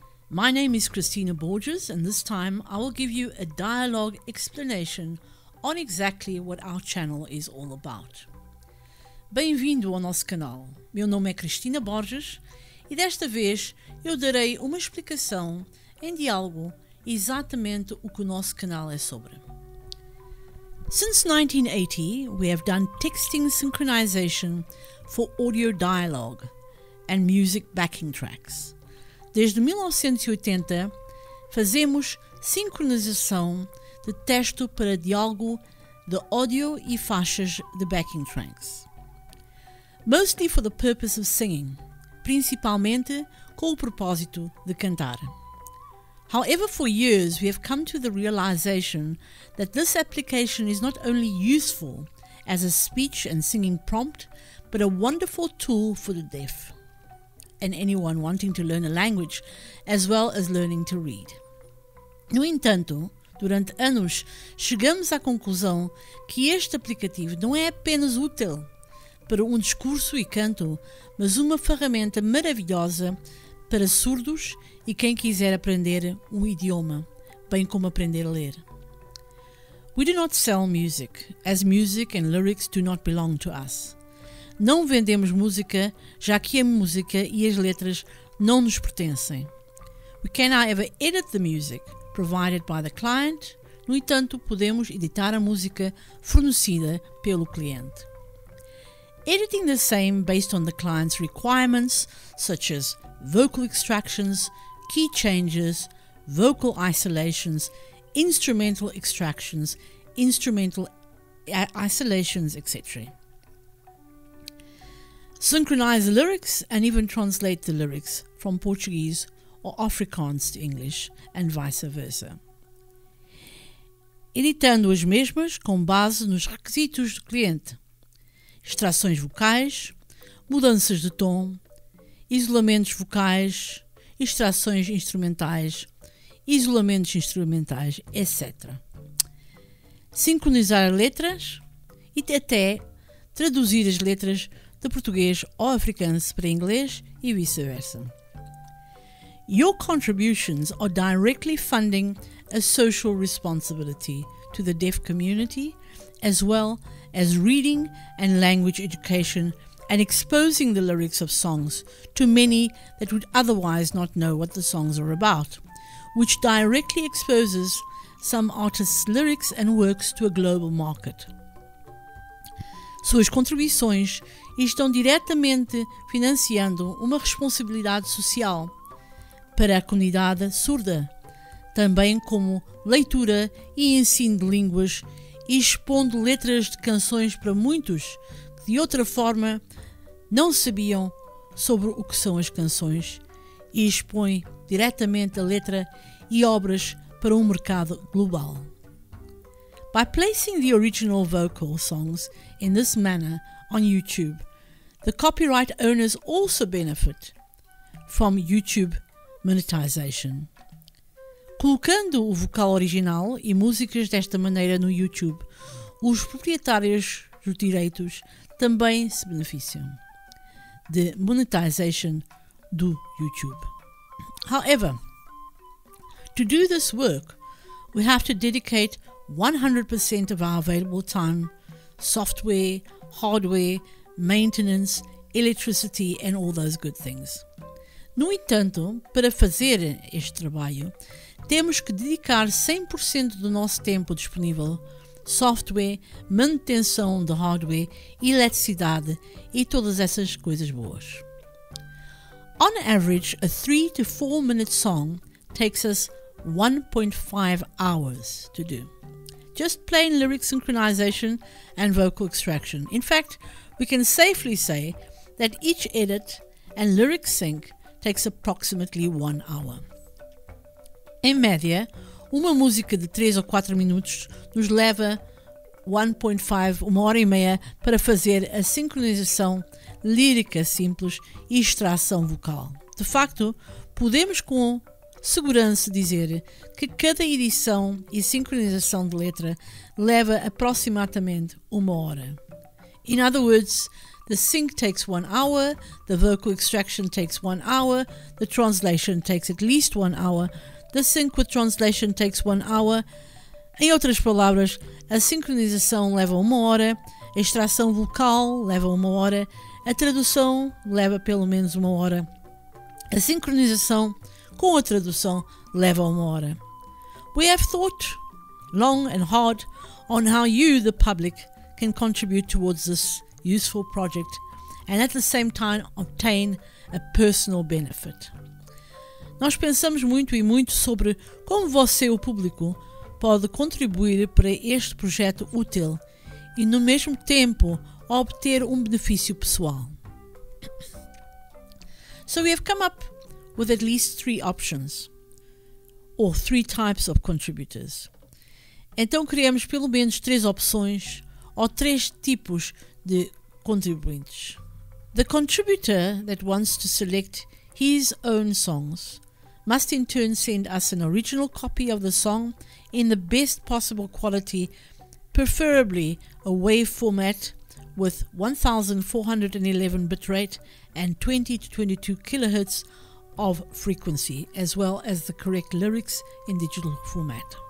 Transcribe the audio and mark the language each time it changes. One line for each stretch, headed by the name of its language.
English: My name is Christina Borges, and this time I will give you a dialogue explanation on exactly what our channel is all about.
Portuguese: Bem-vindo ao nosso canal. Meu nome é Christina Borges e desta vez eu darei uma explicação em diálogo exatamente o que o nosso canal é sobre.
English: Since 1980, we have done texting synchronization for audio dialogue and music backing tracks.
Portuguese: Desde 1980, fazemos sincronização de texto para diálogo de áudio e faixas de backing tracks.
English: Mostly for the purpose of singing,
Portuguese: principalmente com o propósito de cantar.
English: However, for years we have come to the realization that this application is not only useful as a speech and singing prompt, but a wonderful tool for the deaf and anyone wanting to learn a language, as well as learning to read.
Portuguese: No entanto, durante anos, chegamos à conclusão que este aplicativo não é apenas útil para um discurso e canto, mas uma ferramenta maravilhosa para surdos e quem quiser aprender um idioma, bem como aprender a ler.
English: We do not sell music, as music and lyrics do not belong to us.
Portuguese: Não vendemos música, já que a música e as letras não nos pertencem.
English: We can, however, edit the music provided by the client.
Portuguese: No entanto, podemos editar a música fornecida pelo cliente.
English: Editing the same based on the client's requirements, such as vocal extractions, key changes, vocal isolations, instrumental extractions, instrumental isolations, etc. Synchronize the lyrics and even translate the lyrics from Portuguese or Afrikaans to English and vice versa.
Portuguese: Editando as mesmas com base nos requisitos do cliente. Extrações vocais, mudanças de tom, isolamentos vocais, extrações instrumentais, isolamentos instrumentais, etc. Sincronizar letras e até traduzir as letras de português ou afrikaans para inglês e vice-versa.
English: Your contributions are directly funding a social responsibility to the deaf community, as well as reading and language education and exposing the lyrics of songs to many that would otherwise not know what the songs are about, which directly exposes some artists' lyrics and works to a global market.
Portuguese: Suas contribuições estão diretamente financiando uma responsabilidade social para a comunidade surda, também como leitura e ensino de línguas, expondo letras de canções para muitos que de outra forma não sabiam sobre o que são as canções, e expõe diretamente a letra e obras para um mercado global.
English: By placing the original vocal songs in this manner on YouTube, the copyright owners also benefit from YouTube monetization.
Portuguese: Colocando o vocal original e músicas desta maneira no YouTube, os proprietários dos direitos também se beneficiam de monetization do YouTube.
English: However, to do this work, we have to dedicate 100% of our available time, software, hardware, maintenance, electricity and all those good things.
Portuguese: No entanto, para fazer este trabalho, temos que dedicar 100% do nosso tempo disponível, software, manutenção de hardware, eletricidade e todas essas coisas boas.
English: On average, a 3 to 4 minute song takes us 1.5 hours to do. Just plain lyric synchronization and vocal extraction. In fact, we can safely say that each edit and lyric sync takes approximately 1 hour.
Portuguese: Em média, uma música de 3 ou 4 minutos nos leva 1 hora e meia para fazer a sincronização lírica simples e extração vocal. De facto, podemos com segurança dizer que cada edição e sincronização de letra leva aproximadamente 1 hora.
English: In other words, The sync takes 1 hour, the vocal extraction takes 1 hour, the translation takes at least 1 hour, the sync with translation takes 1 hour.
Portuguese: Em outras palavras, a sincronização leva 1 hora, a extração vocal leva 1 hora, a tradução leva pelo menos 1 hora. A sincronização com a tradução leva 1 hora.
English: We have thought long and hard on how you, the public, can contribute towards this useful project and at the same time obtain a personal benefit.
Portuguese: Nós pensamos muito e muito sobre como você, o público, pode contribuir para este projeto útil e, no mesmo tempo, obter benefício pessoal.
English: So we have come up with at least 3 options, or 3 types of contributors.
Portuguese: Então criamos pelo menos 3 opções, ou 3 tipos de contribuintes.
English: The contributor that wants to select his own songs must in turn send us an original copy of the song in the best possible quality, preferably a WAV format with 1,411 bitrate and 20 to 22 kHz of frequency, as well as the correct lyrics in digital format.